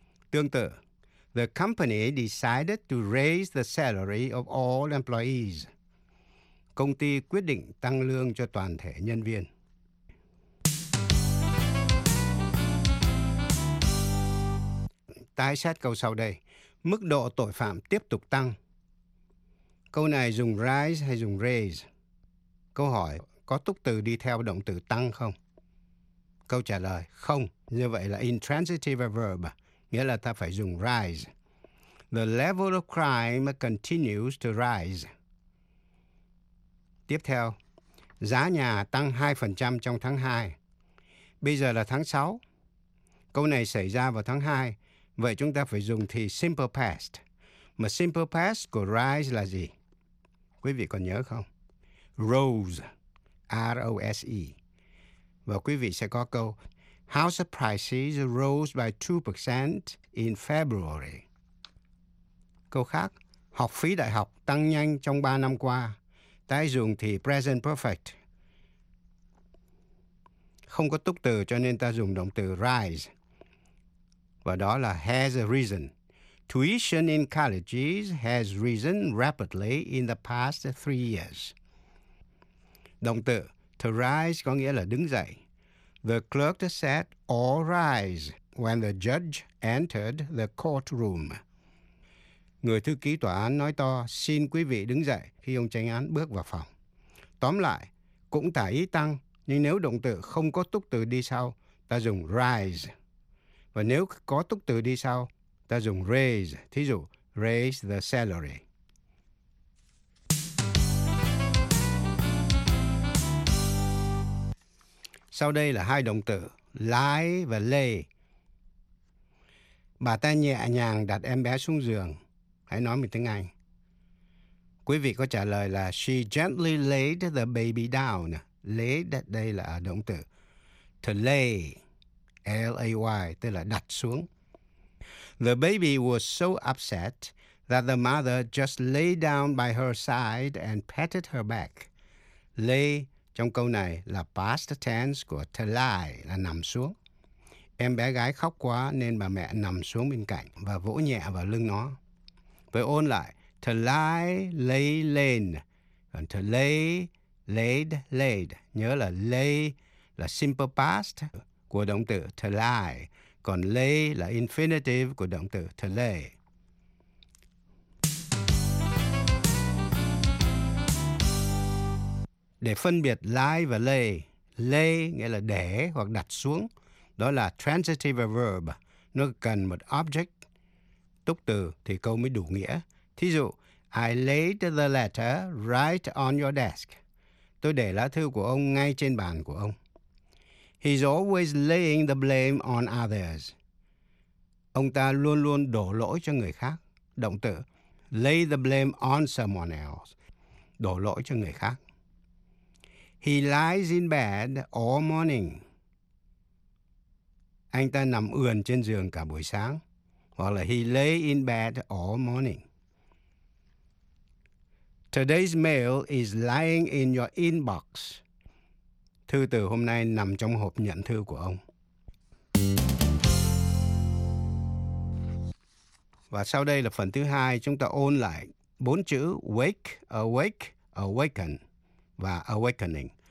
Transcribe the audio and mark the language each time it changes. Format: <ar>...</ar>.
<vi>Tương tự,</vi> <en>the company decided to raise the salary of all employees.</en> <vi>Công ty quyết định tăng lương cho toàn thể nhân viên. Tái xét câu sau đây. Mức độ tội phạm tiếp tục tăng. Câu này dùng rise hay dùng raise? Câu hỏi có túc từ đi theo động từ tăng không? Câu trả lời không. Như vậy là intransitive verb, nghĩa là ta phải dùng rise.</vi> <en>The level of crime continues to rise.</en> <vi>Tiếp theo, giá nhà tăng 2% trong tháng 2. Bây giờ là tháng 6. Câu này xảy ra vào tháng 2. Vậy chúng ta phải dùng thì simple past. Mà simple past của rise là gì? Quý vị còn nhớ không? Rose, R-O-S-E. Và quý vị sẽ có câu</vi> <en>house prices rose by 2% in February.</en> <vi>Câu khác, học phí đại học tăng nhanh trong 3 năm qua. Tái dùng thì present perfect. Không có túc từ cho nên ta dùng động từ rise. Và đó là has risen.</vi> <en>Tuition in colleges has risen rapidly in the past 3 years.</en> <vi>Động từ to rise có nghĩa là đứng dậy.</vi> <en>The clerk said all rise when the judge entered the courtroom.</en> <vi>Người thư ký tòa án nói to xin quý vị đứng dậy khi ông chánh án bước vào phòng. Tóm lại, cũng tả ý tăng, nhưng nếu động từ không có túc từ đi sau, ta dùng rise. Và nếu có túc từ đi sau, ta dùng raise, thí dụ,</vi> <en>raise the salary.</en> <vi>Sau đây là hai động từ, lie và lay. Bà ta nhẹ nhàng đặt em bé xuống giường. Hãy nói mình tiếng Anh. Quý vị có trả lời là</vi> <en>she gently laid the baby down.</en> <vi>Lay, đây là động từ. To lay, L-A-Y, tức là đặt xuống.</vi> <en>The baby was so upset that the mother just lay down by her side and patted her back.</en> <vi>Lay trong câu này là past tense của to lie, là nằm xuống. Em bé gái khóc quá nên bà mẹ nằm xuống bên cạnh và vỗ nhẹ vào lưng nó. Với ôn lại, to lie, lay, lên. Còn to lay, laid, laid. Nhớ là lay là simple past của động từ to lie. Còn lay là infinitive của động từ to lay. Để phân biệt lie và lay, lay nghĩa là để hoặc đặt xuống. Đó là transitive verb. Nó cần một object, túc từ thì câu mới đủ nghĩa.</vi> <en>Thí dụ, I laid the letter right on your desk.</en> <vi>Tôi để lá thư của ông ngay trên bàn của ông.</vi> <en>He's always laying the blame on others.</en> <vi>Ông ta luôn luôn đổ lỗi cho người khác. Động từ</vi> <en>lay the blame on someone else.</en> <vi>Đổ lỗi cho người khác.</vi> <en>He lies in bed all morning.</en> <vi>Anh ta nằm ườn trên giường cả buổi sáng. Hoặc là</vi> <en>he lay in bed all morning. Today's mail is lying in your inbox.</en> <vi>Thư từ hôm nay nằm trong hộp nhận thư của ông. Và sau đây là phần thứ hai, chúng ta ôn lại bốn chữ wake, awake, awaken và awakening.</vi>